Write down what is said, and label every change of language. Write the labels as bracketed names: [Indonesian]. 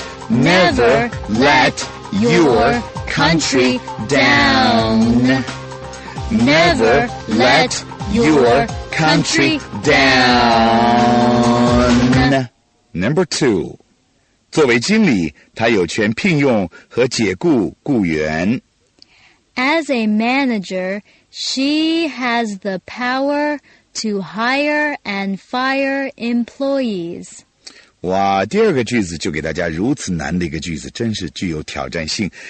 [English] Never let your country down. Never let your country down. Number two. [Chinese] 作为经理，他有权聘用和解雇雇员。 [English] As a manager, she has the power to hire and fire employees. [Chinese] 哇，第二个句子就给大家如此难的一个句子，真是具有挑战性。